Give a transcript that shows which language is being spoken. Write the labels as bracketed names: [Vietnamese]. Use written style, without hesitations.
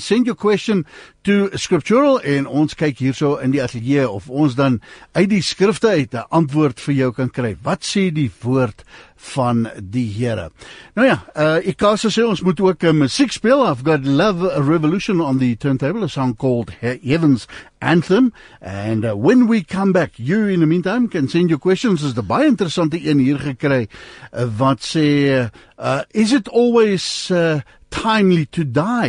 [English] Send your question to Scriptural [Afrikaans] en ons kyk hierso in die atelier of ons dan uit die skrifte uit 'n antwoord vir jou kan kry. Wat sê die woord van die Here? Nou ja, Ikasa sê ons moet ook musiek speel. [English] I've got Love Revolution on the turntable, a song called Heaven's Anthem. And when we come back, you in the meantime can send your questions. Is the [Afrikaans] baie interessante een hier gekry wat sê, [English] is it always timely to die?